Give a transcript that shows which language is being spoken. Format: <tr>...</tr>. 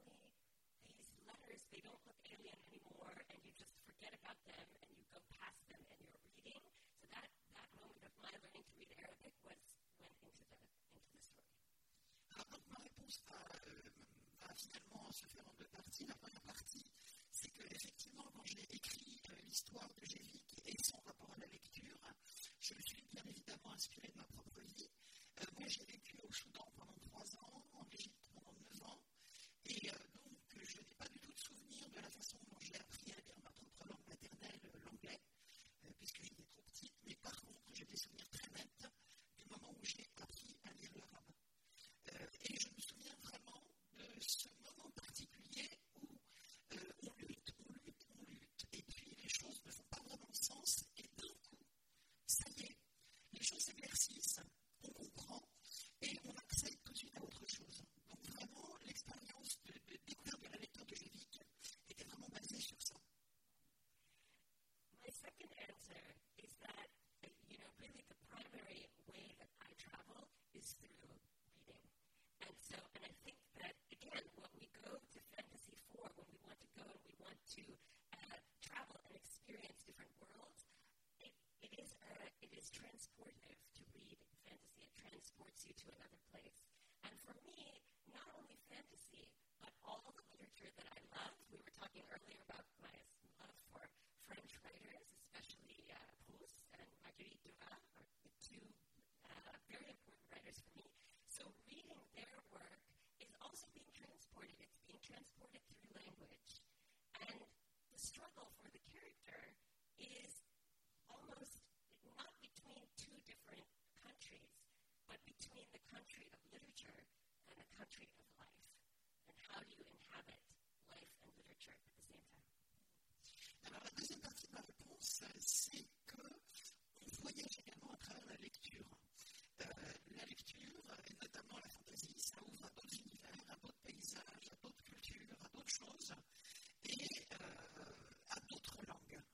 <en>alien anymore, and you just forget about them, and you go past them, and you're reading. So that moment of my learning to read Arabic went into the story.</en> <fr>Donc ma réponse va finalement se faire en deux parties. La première partie, c'est que effectivement, quand j'ai écrit l'histoire de Jévic et son rapport à la lecture, je me suis bien évidemment inspiré de ma propre vie. Moi, j'ai vécu au Soudan pendant 3 ans, en Égypte pendant 9 ans, et donc je n'ai pas du tout de souvenir de la façon dont j'ai appris à lire ma propre langue maternelle, l'anglais, puisque j'étais trop petite, mais par contre, j'ai des souvenirs très nets du moment où j'ai appris à lire l'arabe. Et je me souviens vraiment de ce moment particulier où on lutte, et puis les choses ne font pas vraiment sens, et d'un coup, ça y est, les choses s'éclaircissent, on comprend, et on accède tout de suite à autre chose. Donc vraiment, l'expérience de découverte de la lecture de Jévic était vraiment basée sur ça.</fr> <en>My second answer is that, you know, really the primary way that I travel is through. And I think that, again, when we go to fantasy four, when we want to go and we want to travel and experience different worlds, it is transportive to read fantasy. It transports you to another place. And for me, not only fantasy, but all the literature that I love. We were talking earlier about my love for French writers, especially Proust and Marguerite Duras, are the two very important writers for me. So reading their work is also being transported. It's being transported through language. And the struggle for the character is almost not between two different countries, but between the country of literature and the country of life. And how do you inhabit life and literature at the same time?</en> <fr>Alors, la deuxième partie de ma réponse, c'est qu'on voyage également à travers la lecture. La lecture, et notamment la fantaisie, ça ouvre à d'autres univers, à d'autres paysages, à d'autres cultures, à d'autres choses, et à d'autres langues.</fr>